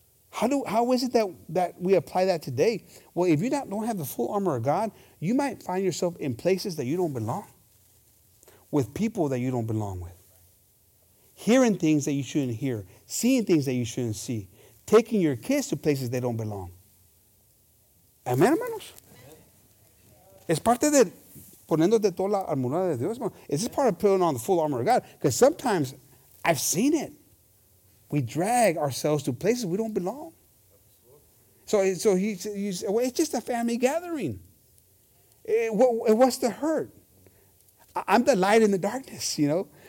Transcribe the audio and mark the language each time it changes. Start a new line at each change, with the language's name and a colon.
English: How is it that we apply that today? Well, if you don't have the full armor of God, you might find yourself in places that you don't belong, with people that you don't belong with, hearing things that you shouldn't hear, seeing things that you shouldn't see, taking your kids to places they don't belong.
Spanish: Amen, hermanos. Es parte de poniéndote toda la armadura de Dios, hermano.
English: Is this part of putting on the full armor of God? Because sometimes I've seen it. We drag ourselves to places we don't belong. So it's just a family gathering. What's the hurt? I'm the light in the darkness, you know.